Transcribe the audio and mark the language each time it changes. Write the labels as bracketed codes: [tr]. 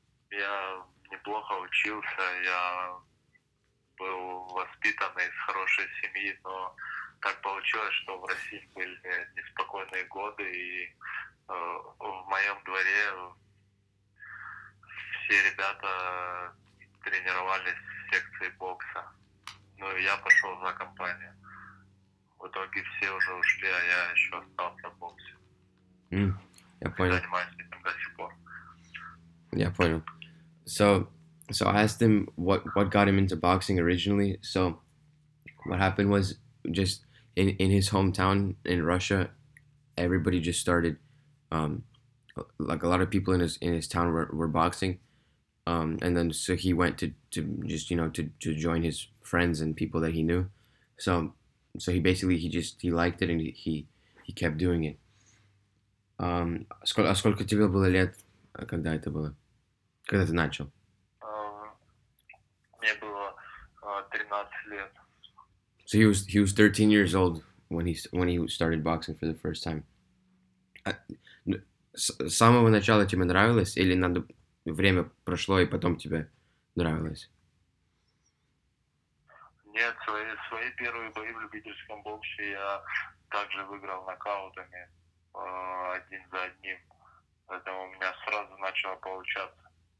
[ru] Я неплохо учился, я был воспитан из хорошей семьи, но так получилось, что в России были неспокойные годы, и в моем дворе все ребята тренировались в секции бокса. Ну и я пошел за компанию. В итоге все уже ушли, а я еще остался в боксе. Я понял. Занимаюсь этим до сих пор. Я понял. [en] So I asked him what got him into boxing originally. So what happened was, just in his hometown in Russia, everybody just started, like a lot of people in his town were boxing. And then so he went to join his friends and people that he knew. So he basically, he liked it and he kept doing it. [ru] А сколько тебе было лет, когда это было? Когда ты начал? Мне было 13 лет. [en] So he was 13 years old when he started boxing for the first time. [ru] С самого начала тебе нравилось, или надо время прошло и потом тебе нравилось? Нет, свои первые бои в любительском боксе я также выиграл нокаутами один за одним, поэтому у меня сразу начало получаться.